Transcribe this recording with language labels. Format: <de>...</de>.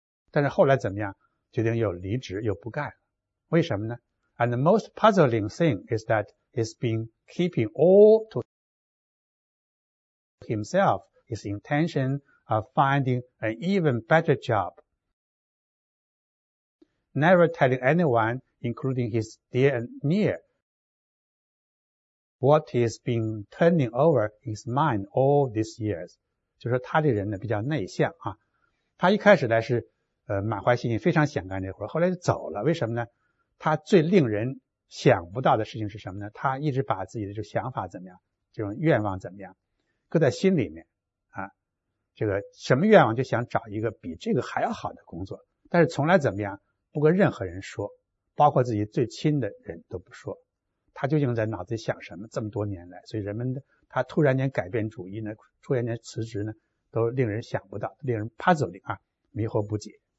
<zh>但是后来怎么样，决定又离职又不干了。为什么呢？</zh> <en>And the most puzzling thing is that he's been keeping all to himself his intention of finding an even better job. Never telling anyone,including his dear and near, what he's been turning over his mind all these years.</en> <zh>就是说他这人呢比较内向啊，他一开始呢是满怀信心，非常想干这活，后来就走了。为什么呢？他最令人想不到的事情是什么呢？他一直把自己的这想法怎么样，这种愿望怎么样搁在心里面啊，这个什么愿望，就想找一个比这个还要好的工作，但是从来怎么样不跟任何人说，包括自己最亲的人都不说，他究竟在脑子里想什么？这么多年来，所以人们的他突然间改变主意呢，突然间辞职呢，都令人想不到，令人 puzzling 啊，迷惑不解。</zh>